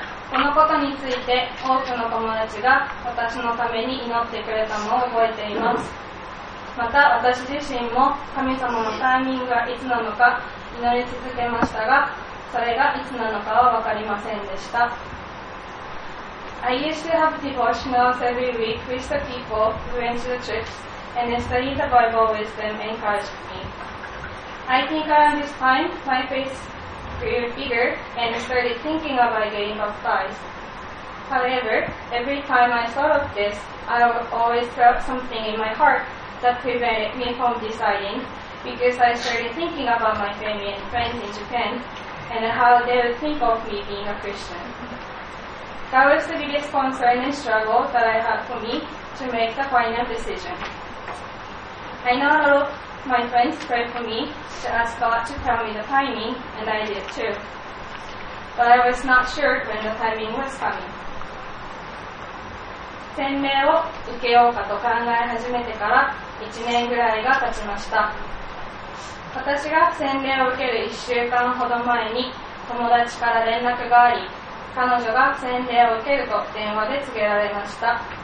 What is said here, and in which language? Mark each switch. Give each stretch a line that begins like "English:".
Japanese: このことについて多くの友達が私のために祈ってくれたのを覚えています。また私自身も神様のタイミングがいつなのか祈り続けましたが、それがいつなのかは分かりませんでした。
English: I used to have devotionals every week with the people who went to the trips, and they studied the Bible with them and encouraged me. I think around this time, my faith grew bigger and started thinking about getting baptized. However, every time I thought of this, I always felt something in my heart that prevented me from deciding, because I started thinking about my family and friends in Japan. And how they would think of me being a Christian. That was the biggest concern and struggle that I had for me to make the final decision. I know a lot of my friends prayed for me to ask God to tell me the timing, and I did too. But I was not sure when the timing was coming.
Japanese: 洗礼を受けようかと考え始めてから1年ぐらいが経ちました。私が洗礼を受ける1週間ほど前に友達から連絡があり、彼女が洗礼を受けると電話で告げられました。